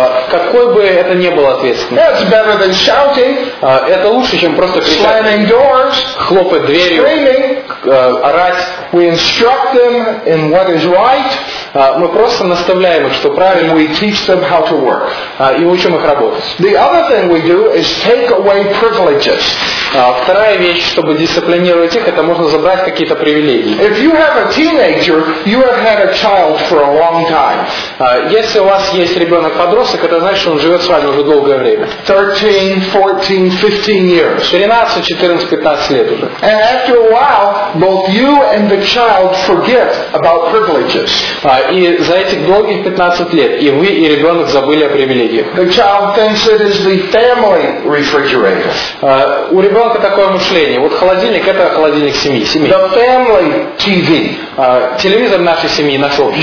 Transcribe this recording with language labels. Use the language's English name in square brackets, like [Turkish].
[Russian] Какой бы это ни было ответственность. [English] That's better than shouting. [Russian] Это лучше, чем просто кричать. [English] Slamming doors. [Russian] Хлопать дверью. [English] Screaming. [Russian] Орать. [English] We instruct them in what is right. [Russian] Мы просто наставляем их, что правильно. [English] We teach them how to work. [Russian] И учим их работать. [English] The other thing we do is take away privileges. [Russian] Вторая вещь, чтобы дисциплинировать их, это можно забрать какие-то привилегии. [English] If you have a teenager, you have had a child for a long time. [Russian] Если у вас есть ребенок-подросток, это значит, что он живет с вами уже долгое время. [English] 13, 14, 15 years. [Russian] 13, 14, 15 лет уже. [English] And after a while, both you and the child forget about privileges. [Russian] И за этих долгих 15 лет и вы, и ребенок забыли о привилегиях. [English] The child thinks it is the family refrigerator. [Russian] У ребенка такое мышление. Вот холодильник, это холодильник семьи. [English] The family TV. [Russian] Телевизор нашей семьи, наш общий.